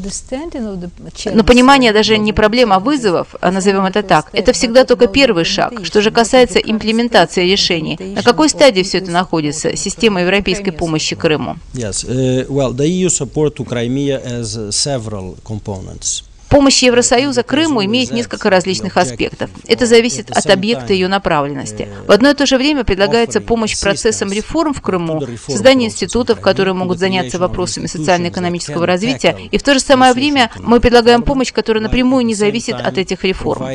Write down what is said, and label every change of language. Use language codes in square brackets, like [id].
[ru] Но понимание даже не проблем, а вызовов, назовем это так, это всегда только первый шаг. Что же касается имплементации решений, на какой стадии все это находится, система европейской помощи Крыму? [en] Yes, well, the EU support to Crimea has several components. [ru] Помощь Евросоюза Крыму имеет несколько различных аспектов. Это зависит от объекта ее направленности. В одно и то же время предлагается помощь процессам реформ в Крыму, создание институтов, которые могут заняться вопросами социально-экономического развития, и в то же самое время мы предлагаем помощь, которая напрямую не зависит от этих реформ.